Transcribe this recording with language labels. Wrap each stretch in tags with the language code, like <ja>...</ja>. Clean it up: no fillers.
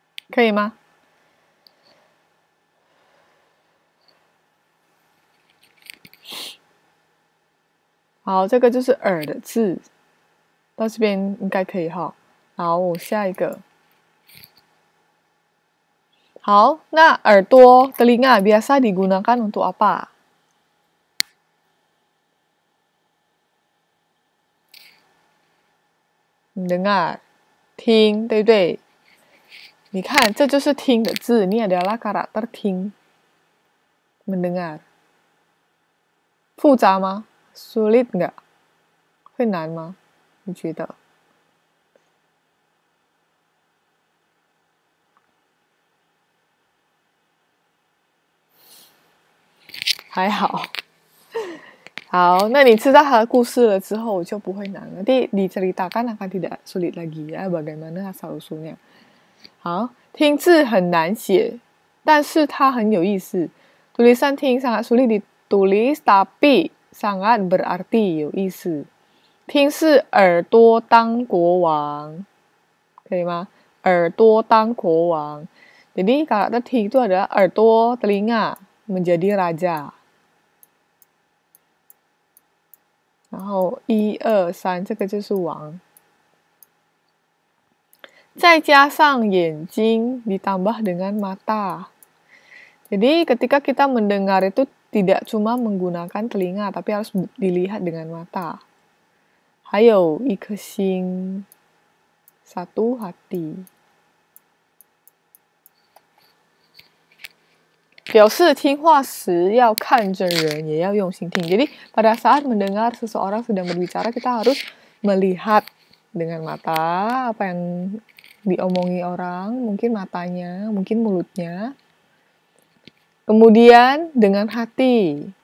<zh>可以吗？好，这个就是耳的字，到这边应该可以哈。好，我下一个。好，那耳朵</zh> <id>telinga biasa digunakan untuk apa？ mendengar，</id> <zh>听，对不对？你看，这就是听的字，你也得拉卡拉的听，能听啊？复杂吗 ？</zh> <id>Sulit nggak？</id> <zh>会难吗？你觉得？还好。好，那你知道他的故事了之后，就不会难了。</zh> <id>Jadi diceritakan akan tidak sulit lagi ya, bagaimana asal usulnya。</id> <zh>好，听字很难写，但是它很有意思。</zh> <id>Tulisan ting sangat sulit ditulis, tapi sangat berarti,</id> <zh>有意思。听是耳朵当国王，可以吗？耳朵当国王。</zh> <id>Jadi kalau kita ting itu adalah耳朵 telinga menjadi raja。</id> <zh>然后一二三，这个就是王。再加上眼睛</zh> <id>ditambah dengan mata. Jadi ketika kita mendengar itu tidak cuma menggunakan telinga tapi harus dilihat dengan mata.</id> <zh>还有一颗心</zh> <id>satu hati.</id> <zh>表示听话时要看真人也要用心听。</zh> <id>Jadi pada saat mendengar seseorang sedang berbicara kita harus melihat dengan mata apa yangdiomongi orang, mungkin matanya, mungkin mulutnya. Kemudian dengan hati.</id>